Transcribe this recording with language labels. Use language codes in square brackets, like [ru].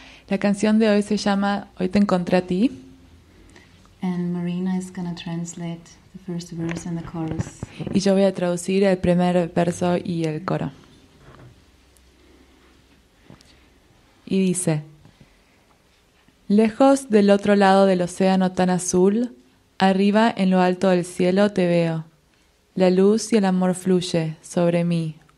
[es] La canción de hoy se llama Hoy te encontré a ti. [en] And Marina is going to translate the first verse and the chorus. [es] Y yo voy a traducir el primer verso y el coro. Y dice: Lejos del otro lado del océano tan azul, arriba en lo alto del cielo te veo. La luz y el amor fluye sobre mí.